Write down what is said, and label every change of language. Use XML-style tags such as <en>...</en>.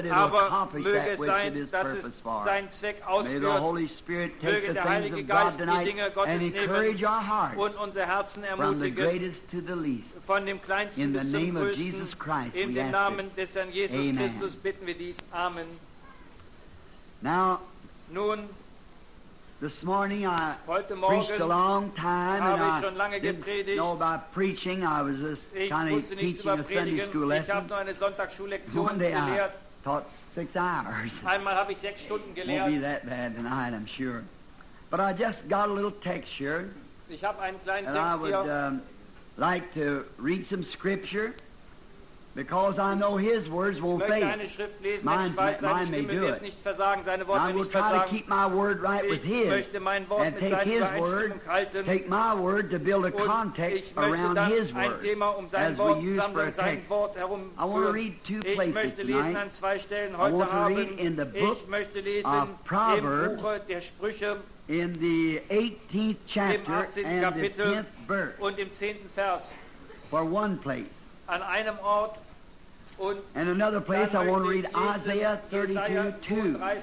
<de>aber möge es sein, dass es seinen Zweck ausführt. Möge der Heilige Geist die Dinge Gottes nehmen und unser Herzen ermutigen, von dem Kleinsten bis zum Größten. Christ, in dem Namen des Herrn Jesus Christus bitten wir dies. Amen. Nun,</de> <en>this morning I preached a long time and I didn't know about preaching. I was just kind of teaching a Sunday school lesson. One day I taught 6 hours. Won't be that bad tonight, I'm sure. But I just got a little text here. And I would like to read some scripture. Because I know his words won't fail.</en> <de>Möchte eine Schrift lesen, denn ich weiß, seine Stimme wird nicht versagen, seine Worte</de> <en>I</en> <de>nicht versagen.</de> <en>To keep my word right</en> <de>ich</de> <en>with his</en> <de>möchte mein Wort mit seinen Übereinstimmung halten.</de> <en>Take my word to build a context</en> <de>ich möchte dann ein Thema um sein Wort zusammen und sein Wort herumführen. Ich möchte lesen an zwei Stellen heute Abend. Ich möchte lesen im Buch der Sprüche</de> <en>in the 18th chapter and the 10th verse</en> <de>und im 10. Vers</de> <en>for one place</en> <de>an einem Ort und</de> <en>and another place I want to read Isaiah 32:2.</en>